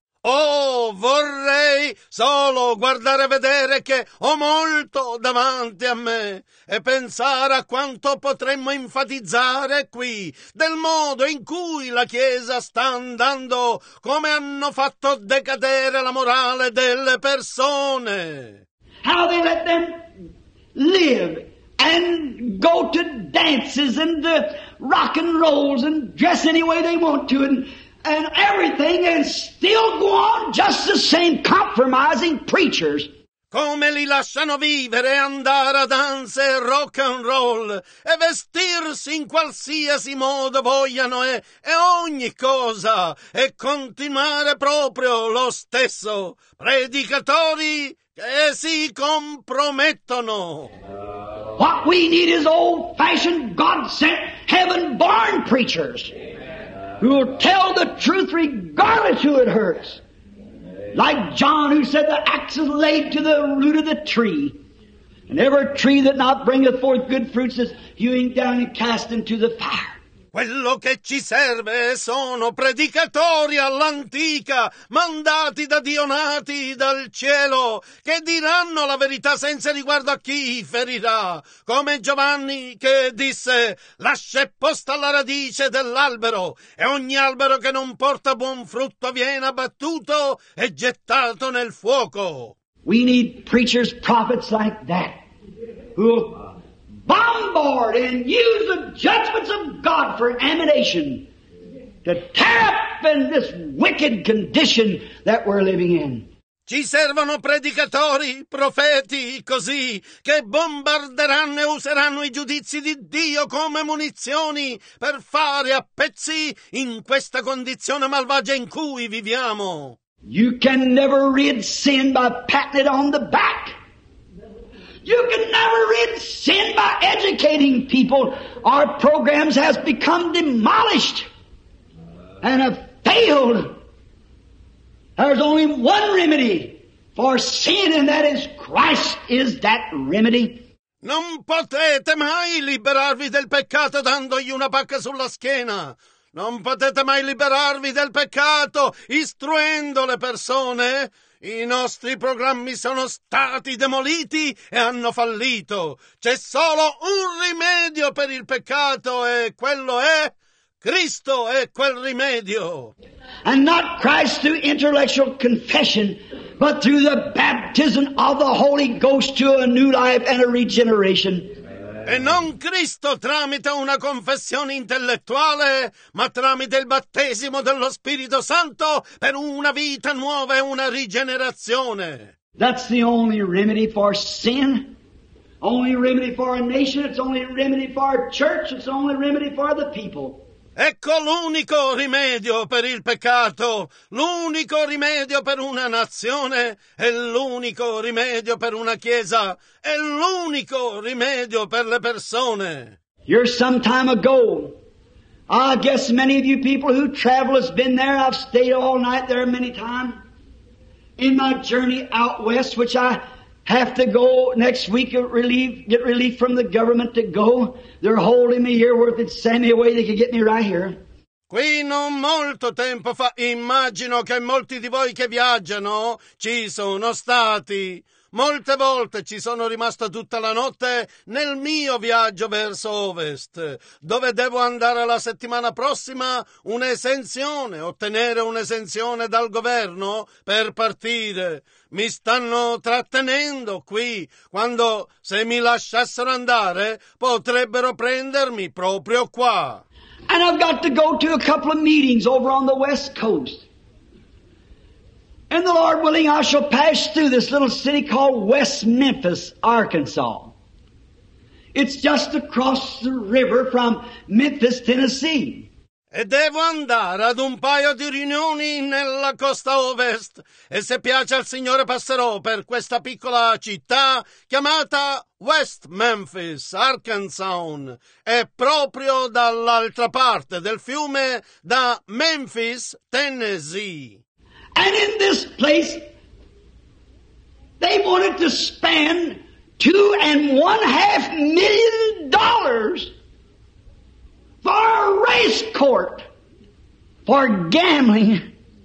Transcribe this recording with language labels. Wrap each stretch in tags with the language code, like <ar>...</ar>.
<it>Oh, vorrei solo guardare e vedere che ho molto davanti a me e pensare a quanto potremmo enfatizzare qui del modo in cui la Chiesa sta andando, come hanno fatto decadere la morale delle persone.</it> <en>How they let them live and go to dances and the rock and rolls and dress any way they want to and everything and still go on just the same compromising preachers.</en> <it>Come li lasciano vivere, andare a danze, rock and roll, e vestirsi in qualsiasi modo vogliano e ogni cosa, e continuare proprio lo stesso. Predicatori che si compromettono.</it> <en>What we need is old-fashioned, God-sent, heaven-born preachers. Who will tell the truth regardless who it hurts. Like John who said the axe is laid to the root of the tree. And every tree that not bringeth forth good fruits is hewing down and cast into the fire.</en> <it>Quello che ci serve sono predicatori all'antica, mandati da Dio, nati dal cielo, che diranno la verità senza riguardo a chi ferirà. Come Giovanni che disse: lascia posta la radice dell'albero, e ogni albero che non porta buon frutto viene abbattuto e gettato nel fuoco.</it> <en>We need preachers, prophets like that, who bombard and use the judgments of God for ammunition to tear up in this wicked condition that we're living in.</en> <it>Ci servono predicatori, profeti, così, che bombarderanno e useranno i giudizi di Dio come munizioni per fare a pezzi in questa condizione malvagia in cui viviamo.</it> <en>You can never rid sin by patting it on the back. You can never rid sin by educating people. Our programs has become demolished and have failed. There's only one remedy for sin, and that is Christ is that remedy.</en> <it>Non potete mai liberarvi del peccato dandogli una pacca sulla schiena. Non potete mai liberarvi del peccato istruendo le persone. I nostri programmi sono stati demoliti e hanno fallito. C'è solo un rimedio per il peccato, e quello è Cristo, è quel rimedio.</it> <en>And not Christ through intellectual confession, but through the baptism of the Holy Ghost to a new life and a regeneration.</en> <it>E non Cristo tramite una confessione intellettuale, ma tramite il battesimo dello Spirito Santo per una vita nuova e una rigenerazione.</it> <en>That's the only remedy for sin, only remedy for a nation, it's only remedy for a church, it's only remedy for the people.</en> <it>Ecco l'unico rimedio per il peccato, l'unico rimedio per una nazione, e l'unico rimedio per una chiesa, e l'unico rimedio per le persone.</it> <en>Here's some time ago, I guess many of you people who travel has been there. I've stayed all night there many times in my journey out west, which I have to go next week to get relief from the government to go. They're holding me here where if they'd send me away, they could get me right here.</en> <it>Qui non molto tempo fa, immagino che molti di voi che viaggiano ci sono stati. Molte volte ci sono rimasto tutta la notte nel mio viaggio verso ovest, dove devo andare la settimana prossima un'esenzione, ottenere un'esenzione dal governo per partire. Mi stanno trattenendo qui, quando se mi lasciassero andare potrebbero prendermi proprio qua.</it> <en>And I've got to go to a couple of meetings over on the west coast. And the Lord willing, I shall pass through this little city called West Memphis, Arkansas. It's just across the river from Memphis, Tennessee.</en> <it>E devo andare ad un paio di riunioni nella costa ovest. E se piace al Signore, passerò per questa piccola città chiamata West Memphis, Arkansas. È proprio dall'altra parte del fiume, da Memphis, Tennessee.</it> <en>And in this place, they wanted to spend $2.5 million for a race court for gambling.</en>